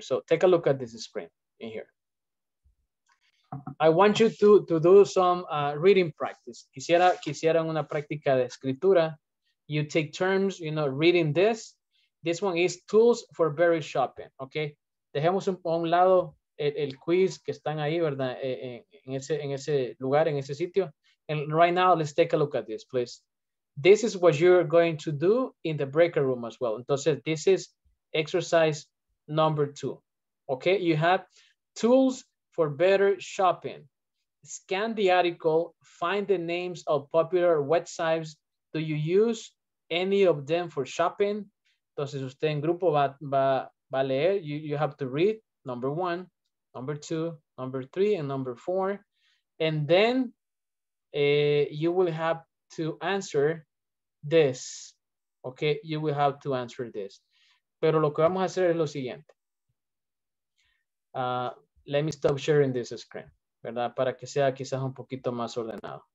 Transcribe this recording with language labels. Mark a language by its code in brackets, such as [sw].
[en] So take a look at this screen in here. I want you to do some reading practice. [es] Quisiera una práctica de escritura. [en] You take turns, you know, reading this. This one is tools for berry shopping, okay? [es] Dejemos a un lado el quiz que están ahí, ¿verdad? En ese lugar, en ese sitio. [en] And right now, let's take a look at this, please. This is what you're going to do in the breakout room as well. Entonces, this is exercise number 2. Okay, you have tools for better shopping. Scan the article, find the names of popular websites. Do you use any of them for shopping? [es] Entonces, usted en grupo va a leer. [en] You have to read number 1, number 2, number 3, and number 4. And then you will have to answer this, okay? You will have to answer this. [es] Pero lo que vamos a hacer es lo siguiente. [en] Let me stop sharing this screen, ¿verdad? [es] Para que sea quizás un poquito más ordenado.